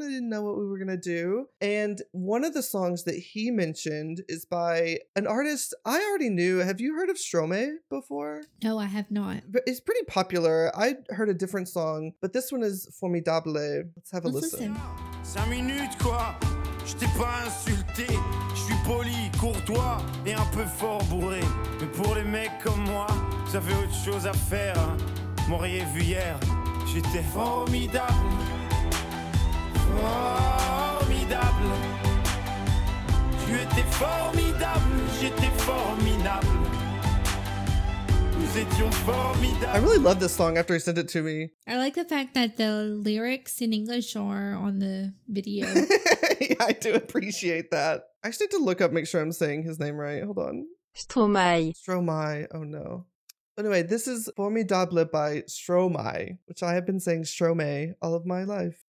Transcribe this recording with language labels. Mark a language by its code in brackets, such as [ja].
[en] I didn't know what we were going to do. And one of the songs that he mentioned is by an artist I already knew. Have you heard of Stromae before? No, I have not. It's pretty popular. I heard a different song, but this one is Formidable. Let's have a listen. [fr] 5 minutes, quoi. Je t'ai pas insulté, je suis poli, courtois et un peu fort bourré. Mais pour les mecs comme moi, vous avez autre chose à faire. M'auriez vu hier, j'étais formidable. Formidable. Tu étais formidable, j'étais formidable. Nous étions formidables. [en] I really love this song after he sent it to me. I like the fact that the lyrics in English are on the video. Yeah, I do appreciate that. I just need to look up, make sure I'm saying his name right. Hold on. Stromae. Stromae. Oh, no. Anyway, this is Formidable by Stromae, which I have been saying Stromae all of my life.